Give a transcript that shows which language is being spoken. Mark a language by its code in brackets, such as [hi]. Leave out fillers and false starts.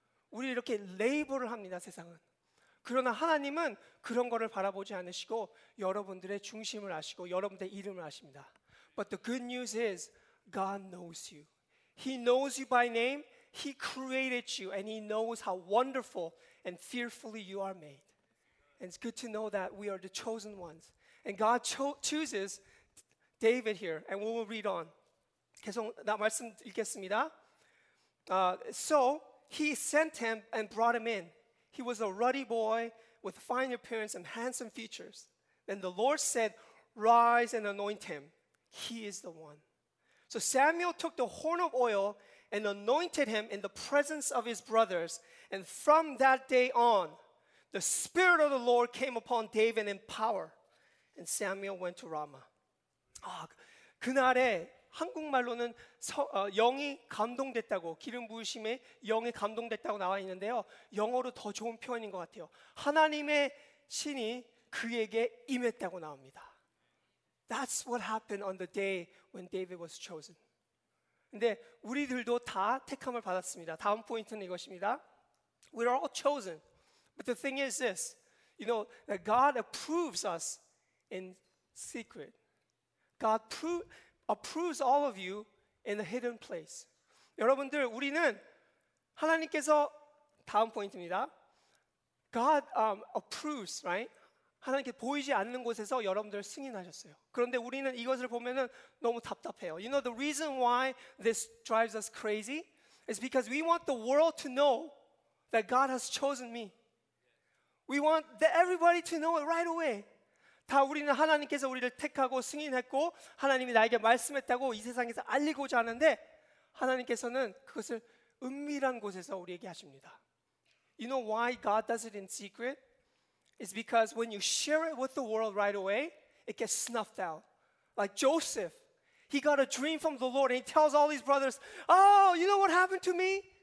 [ko] 우리 이렇게 레이블을 합니다, 세상은. 그러나 하나님은 그런 거를 바라보지 않으시고 여러분들의 중심을 아시고 여러분들의 이름을 아십니다. [en] But the good news is God knows you. He knows you by name. He created you and he knows how wonderful and fearfully you are made. And it's good to know that we are the chosen ones. And God chooses David here. And we will read on. [ko] 계속 나 말씀 읽겠습니다. [en] So he sent him and brought him in. He was a ruddy boy with fine appearance and handsome features. Then the Lord said, rise and anoint him. He is the one. So Samuel took the horn of oil and anointed him in the presence of his brothers. And from that day on, the Spirit of the Lord came upon David in power. And Samuel went to Ramah. [ko] 그날에 한국말로는 영이 감동됐다고 기름 부으심에 영이 감동됐다고 나와 있는데요. 영어로 더 좋은 표현인 것 같아요. 하나님의 신이 그에게 임했다고 나옵니다. [en] That's what happened on the day when David was chosen. [ko] 근데 우리들도 다 택함을 받았습니다. 다음 포인트는 이것입니다. [en] We're all chosen. But the thing is this, you know, that God approves us in secret. God approves all of you in a hidden place. [ko] 여러분들, 우리는 하나님께서 다음 포인트입니다. [en] God approves, right? [ko] 하나님께 보이지 않는 곳에서 여러분들을 승인하셨어요. 그런데 우리는 이것을 보면은 너무 답답해요. [en] You know the reason why this drives us crazy is because we want the world to know that God has chosen me. We want everybody to know it right away. [ko] 다 우리는 하나님께서 우리를 택하고 승인했고 하나님이 나에게 말씀했다고 이 세상에서 알리고자 하는데 하나님께서는 그것을 은밀한 곳에서 우리에게 하십니다. [en] You know why God does it in secret? It's because when you share it with the world right away, it gets snuffed out. Like Joseph, he got a dream from the Lord and he tells all his brothers, oh, you know what happened to me?